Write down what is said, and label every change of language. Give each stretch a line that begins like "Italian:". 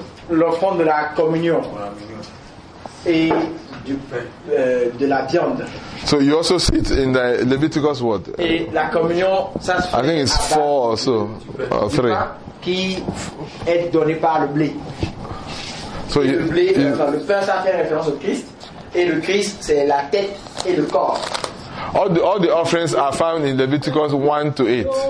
French: L'offrande de la communion et du de la viande.
English: So you also see it in the Leviticus what?
French: Et la communion, ça se fait.
English: I think it's four or so, or three.
French: Qui est donné par le blé.
English: So
French: le blé, le pain, ça fait référence au Christ. Et le Christ, c'est la tête et le corps.
English: All the offerings are found in Leviticus 1 to 8.